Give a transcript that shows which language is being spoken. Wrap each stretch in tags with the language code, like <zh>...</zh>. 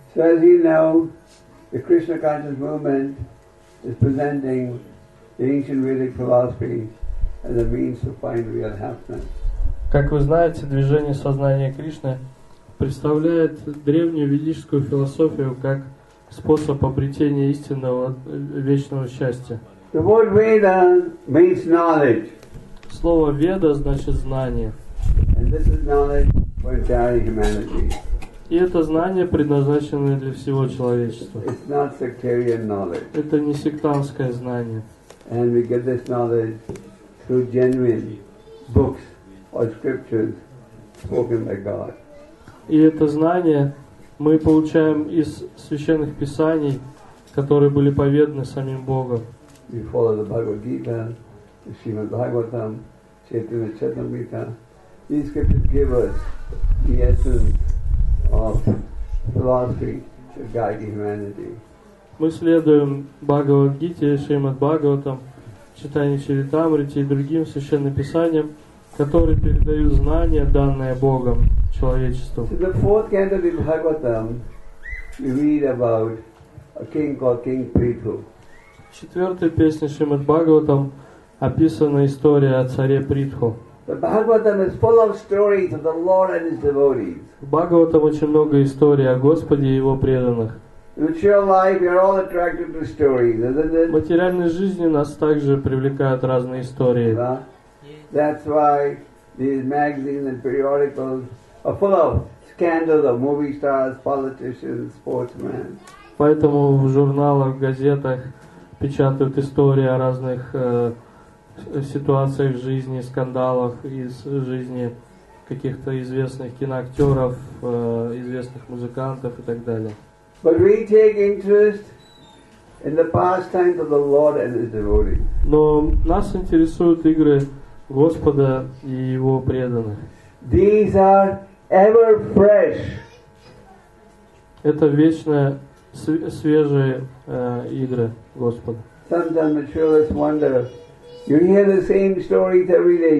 <en>So as you know, the Krishna Conscious Movement is presenting the ancient Vedic philosophy as a means to find real happiness.</en> <ru>Как вы знаете, движение сознания Кришны представляет древнюю ведическую философию как способ обретения истинного вечного счастья.</ru> <en>The word Veda means knowledge.</en> <ru>Слово Веда значит знание.</ru> <en>And this is knowledge for entire humanity.</en> <ru>И это знание предназначено для всего человечества.</ru> <en>It's not sectarian knowledge.</en> <ru>Это не сектантское знание.</ru> <en>And we get this knowledge through genuine books. Or scriptures spoken by God.</en> <ru>И это знание мы получаем из священных писаний, которые были поведаны самим Богом.</ru> <en>We follow the Bhagavad Gita, the Srimad Bhagavatam, Chaitanya Charitamrita. These scriptures give us the essence of philosophy to guide humanity.</en> <ru>Мы следуем Бхагавад Гите, Шримад Бхагаватам, Чайтанья Чаритамрите и другим священным писаниям, которые передают знания, данные Богом человечеству.</ru> <en>In the fourth canto of Bhagavatam, we read about a king called King Prithu.</en> <ru>В четвертой песне Шримад Бхагаватам описана история о царе Притху.</ru> <en>The Bhagavatam is full of stories of the Lord and his devotees.</en> <ru>В Бхагаватам очень много историй о Господе и его преданных.</ru> <en>In material life, we are all attracted to stories, isn't it?</en> <ru>В материальной жизни нас также привлекают разные истории.</ru> <en>That's why these magazines and periodicals are full of scandals of movie stars, politicians, sportsmen.</en> <ru>Поэтому в журналах, газетах печатают истории о разных ситуациях в жизни, скандалах из жизни каких-то известных киноактеров, известных музыкантов и так далее.</ru> <en>But we take interest in the pastimes of the Lord and his devotees.</en> <ru>Но нас интересуют игры Господа и его преданных.</ru> <en>These are ever fresh.</en> <ru>Это вечно свежие игры Господа.</ru> <en>Sometimes materialists wonder. You hear the same stories every day.</en>